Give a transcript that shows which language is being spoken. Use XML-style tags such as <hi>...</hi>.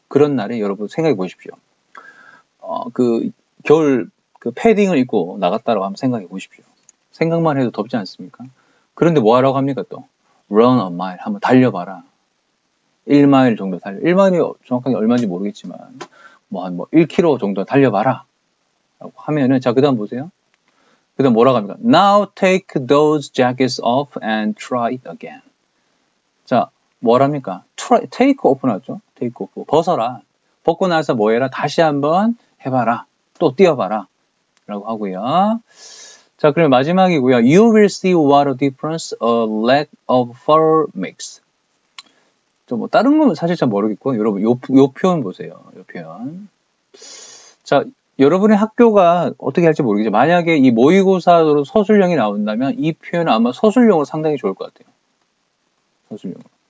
<ko>그런 날에 여러분 생각해 보십시오. 그 겨울 그 패딩을 입고 나갔다라고 한번 생각해 보십시오. 생각만 해도 덥지 않습니까? 그런데 뭐 하라고 합니까 또?</ko> <en>Run a mile.</en> <ko>한번 달려봐라. 1마일 정도 달려. 1마일이 정확하게 얼마인지 모르겠지만 뭐 한 뭐 1km 정도 달려봐라. 라고 하면은 자, 그 다음 보세요. 그 다음 뭐라고 합니까?</ko> <en>Now take those jackets off and try it again.</en> <ko>자, 뭐랍니까? Try, take off 나죠? Take off. 벗어라. 벗고 나서 뭐 해라? 다시 한번 해봐라. 또 뛰어봐라. 라고 하고요. 자, 그럼 마지막이고요.</ko> <en>You will see what a difference a leg of fur makes.</en> <ko>저 뭐 다른 건 사실 잘 모르겠고, 여러분 요 표현 보세요. 요 표현. 자, 여러분의 학교가 어떻게 할지 모르겠죠. 만약에 이 모의고사로 서술형이 나온다면 이 표현은 아마 서술형으로 상당히 좋을 것 같아요. 서술형으로.</ko>